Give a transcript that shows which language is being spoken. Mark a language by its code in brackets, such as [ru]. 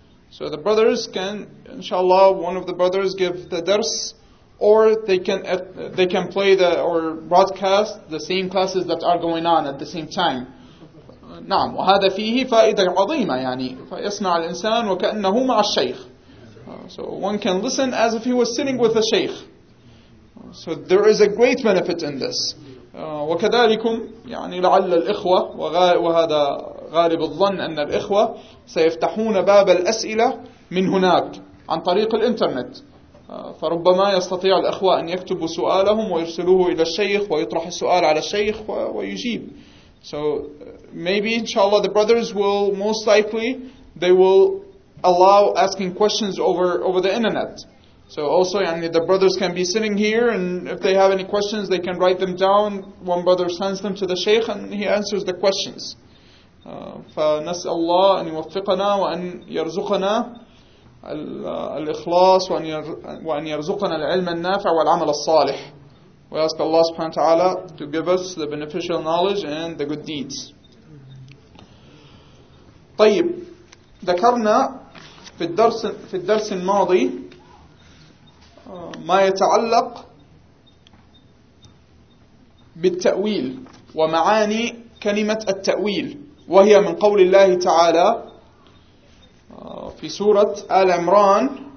[en] So the brothers can, [ar] إن شاء الله [en] one of the brothers give the درس. Or they can play or broadcast the same classes that are going on at the same time. [ar] نعم، وهذا فيه فائدة عظيمة، يعني فيسمع الإنسان وكأنه مع الشيخ. [en] So one can listen as if he was sitting with the sheikh. So there is a great benefit in this. [ar] وكذلكم يعني لعل الإخوة، وهذا غالب الظن، أن الإخوة سيفتحون باب الأسئلة من هناك عن طريق الإنترنت. فربما يستطيع الإخوة أن يكتبوا سؤالهم ويرسلوه إلى الشيخ ويطرح السؤال على الشيخ ويجيب. [en] So maybe inshallah the brothers will most likely they will allow asking questions over the internet. So also يعني the brothers can be sitting here and if they have any questions they can write them down. One brother sends them to the sheikh and he answers the questions. [ar] فنسأل الله أن يوفقنا وأن يرزقنا الإخلاص وأن يرزقنا العلم النافع والعمل الصالح. [en] We ask Allah subhanahu wa ta'ala to give us the beneficial knowledge and the good deeds. [ar] طيب، ذكرنا في الدرس الماضي ما يتعلق بالتأويل ومعاني كلمة التأويل، وهي من قول الله تعالى في سورة آل عمران